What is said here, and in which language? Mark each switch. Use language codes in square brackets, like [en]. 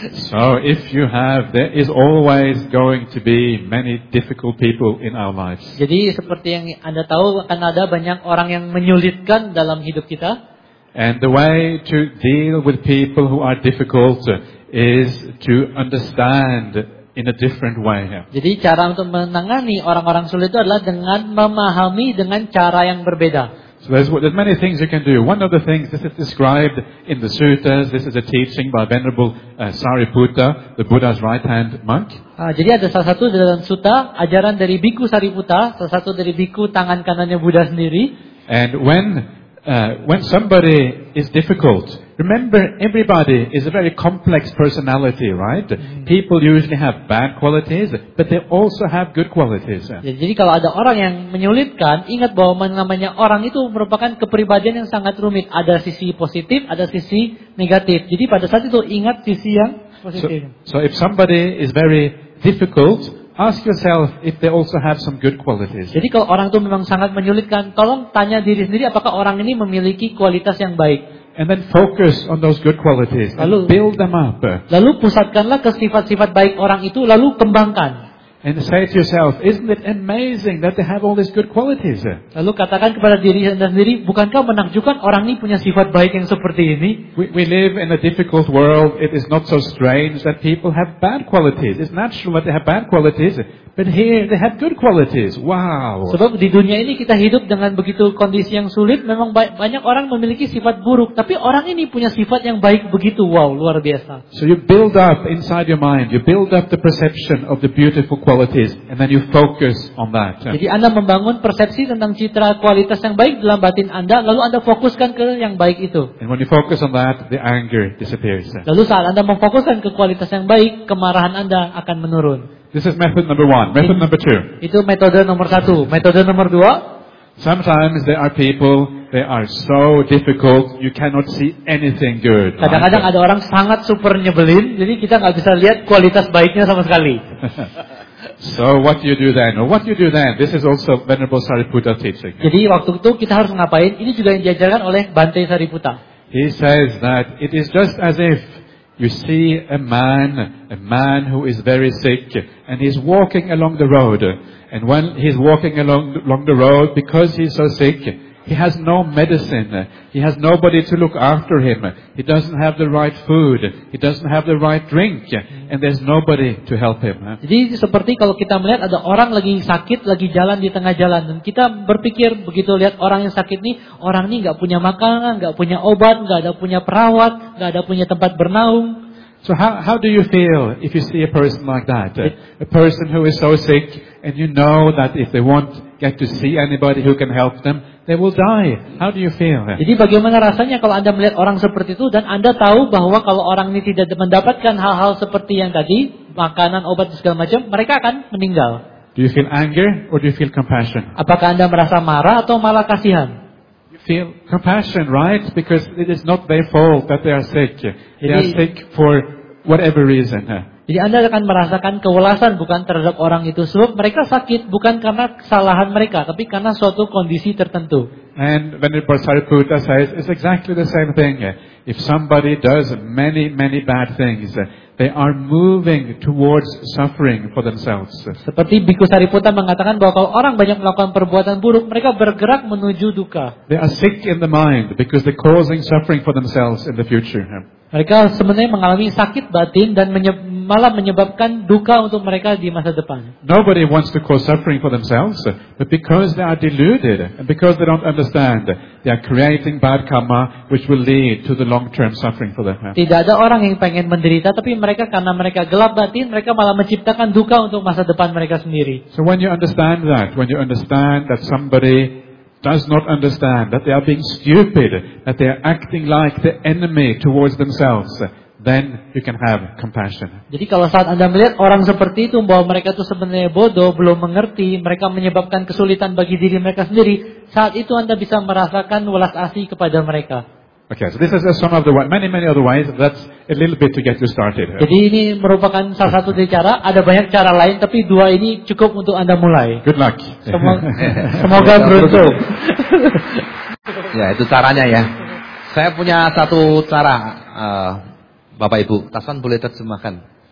[en] So if you have, there is always going to be many difficult people in our lives. [id] Jadi seperti yang Anda tahu akan ada banyak orang yang menyulitkan dalam hidup kita. [en] And the way to deal with people who are difficult is to understand in a different way. [id] Jadi cara untuk menangani orang-orang sulit itu adalah dengan memahami dengan cara yang berbeda. [en] So there's many things you can do. One of the things, this is described in the suttas, this is a teaching by Venerable Sariputta, the Buddha's right-hand monk. [id] Jadi ada salah satu dalam sutta, ajaran dari Bhikkhu Sariputta, salah satu dari Bhikkhu tangan kanannya Buddha sendiri. [en] And when somebody is difficult, remember everybody is a very complex personality, right? People usually have bad qualities, but they also have good qualities. [id] Jadi kalau ada orang yang menyulitkan, ingat bahwa namanya orang itu merupakan kepribadian yang sangat rumit. Ada sisi positif, ada sisi negatif. Jadi pada saat itu ingat sisi yang positif. [en] So if somebody is very difficult, ask yourself if they also have some good qualities. [id] Jadi kalau orang itu memang sangat menyulitkan, tolong tanya diri sendiri apakah orang ini memiliki kualitas yang baik. [en] And then focus on those good qualities. [id] Lalu, [en] and build them up. [id] Lalu pusatkanlah ke sifat-sifat baik orang itu, lalu kembangkan. [en] And say to yourself, isn't it amazing that they have all these good qualities? [id] Lalu katakan kepada diri Anda sendiri, bukankah menakjubkan orang ini punya sifat baik yang seperti ini? [en] We live in a difficult world. It is not so strange that people have bad qualities. It's natural that they have bad qualities. But here they have good qualities. Wow. [id] Sebab di dunia ini kita hidup dengan begitu kondisi yang sulit, memang banyak orang memiliki sifat buruk, tapi orang ini punya sifat yang baik begitu. Wow, luar biasa. [en] So you build up inside your mind, you build up the perception of the beautiful qualities and then you focus on that. [id] Jadi Anda membangun persepsi tentang citra kualitas yang baik dalam batin Anda, lalu Anda fokuskan ke yang baik itu. [en] And when you focus on that, the anger disappears. [id] Lalu saat Anda memfokuskan ke kualitas yang baik, kemarahan Anda akan menurun. [en] This is method number one. Method number two. [id] Itu metode nomor satu. Metode nomor dua. [en] Sometimes there are people, they are so difficult, you cannot see anything good. [id] Kadang-kadang ada orang sangat super nyebelin, jadi kita gak bisa lihat kualitas baiknya sama sekali. [en] So what do you do then? What do you do then? This is also Venerable Sariputta teaching. [id] Jadi waktu itu kita harus ngapain? Ini juga yang diajarkan oleh Bante Sariputta. [en] He says that it is just as if you see a man who is very sick and he's walking along the road. And when he's walking along the road, because he's so sick, he has no medicine. He has nobody to look after him. He doesn't have the right food. He doesn't have the right drink. And there's nobody to help him. [id] Jadi seperti kalau kita melihat ada orang lagi sakit, lagi jalan di tengah jalan, dan kita berpikir begitu lihat orang yang sakit ini, orang ini enggak punya makanan, enggak punya obat, enggak ada punya perawat, enggak ada punya tempat bernaung. [en] So how do you feel if you see a person like that? A person who is so sick and you know that if they won't get to see anybody who can help them, they will die. How do you feel? [id] Jadi bagaimana rasanya kalau Anda melihat orang seperti itu dan Anda tahu bahwa kalau orang ini tidak mendapatkan hal-hal seperti yang tadi, makanan, obat dan segala macam, mereka akan meninggal. [en] Do you feel anger or do you feel compassion? [id] Apakah Anda merasa marah atau malah kasihan? [en] Feel compassion, right? Because it is not their fault that they are sick. They are sick for whatever reason. [id] Jadi Anda akan merasakan kewelasan bukan terhadap orang itu, sebab mereka sakit bukan karena kesalahan mereka, tapi karena suatu kondisi tertentu. [en] And Venerable Sariputta says it's exactly the same thing. If somebody does many, many bad things, they are moving towards suffering for themselves. [id] Seperti Bhikkhu Sariputta mengatakan bahwa kalau orang banyak melakukan perbuatan buruk, mereka bergerak menuju duka. [en] They are sick in the mind because they're causing suffering for themselves in the future. [id] Mereka sebenarnya mengalami sakit batin dan malah menyebabkan duka untuk mereka di masa depan. [en] Nobody wants to cause suffering for themselves, but because they are deluded and because they don't understand, they are creating bad karma which will lead to the long-term suffering for them. [id] Tidak ada orang yang pengen menderita, tapi mereka karena mereka gelap batin, mereka malah menciptakan duka untuk masa depan mereka sendiri. [en] So when you understand that somebody does not understand that they are being stupid, that they are acting like the enemy towards themselves, then you can have compassion. [id] Jadi kalau saat Anda melihat orang seperti itu bahwa mereka itu sebenarnya bodoh, belum mengerti, mereka menyebabkan kesulitan bagi diri mereka sendiri, saat itu Anda bisa merasakan welas asih kepada mereka. [en] Okay, so this is some of the ways, many, many other ways. That's a little bit to get you started. [id] Jadi ini merupakan salah satu dari cara. Ada banyak cara lain, tapi dua ini cukup untuk Anda mulai. [en] Good luck. [id] Semoga beruntung. Ya, itu caranya ya. Saya punya satu cara, Bapak Ibu. Tasan boleh terjemahkan.